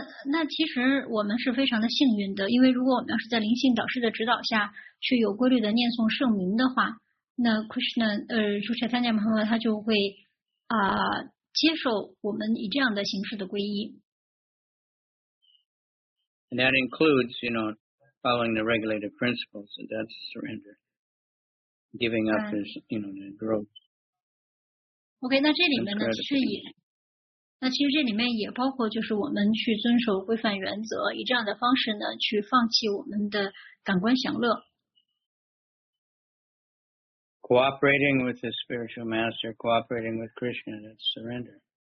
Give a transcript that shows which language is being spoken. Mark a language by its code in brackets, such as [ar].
[zh] 那其实我们是非常的幸运的，因为如果我们要是在灵性导师的指导下去有规律的念诵圣名的话，那 Krishna, 就Chaitanya Mahaprabhu他就会接受我们以这样的形式的皈依。 [en] And that includes, you know, following the regulative principles, and that's surrender. Giving up is, you know, the growth. [zh] Okay, 那这里面呢是也，那其实这里面也包括就是我们去遵守规范原则，以这样的方式呢去放弃我们的感官享乐。 [en] Cooperating with the spiritual master, cooperating with Krishna, that's surrender.